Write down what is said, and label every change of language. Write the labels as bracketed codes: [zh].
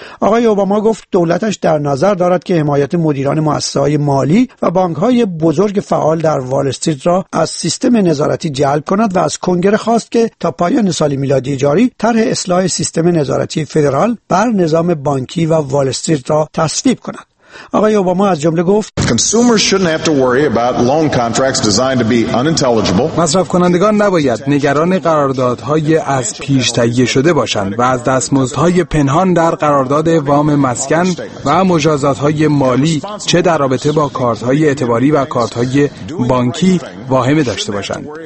[fa] آقای اوباما گفت دولتش در نظر دارد که حمایت مدیران مؤسسه‌های مالی و بانک‌های بزرگ فعال در وال استریت را از سیستم نظارتی جلب کند و از کنگره خواست که تا پایان سال میلادی جاری طرح اصلاح سیستم نظارتی فدرال بر نظام بانکی و وال استریت را تصویب کند. آقای اوباما از جمله گفت [en] consumers shouldn't have to worry about loan contracts designed to be unintelligible. [fa] مصرف کنندگان نباید نگران قراردادهای از پیش تهیه شده باشند و از دستمزدهای پنهان در قرارداد وام مسکن و مجازاتهای مالی چه در رابطه با کارت‌های اعتباری و کارت‌های بانکی واهمه داشته باشند.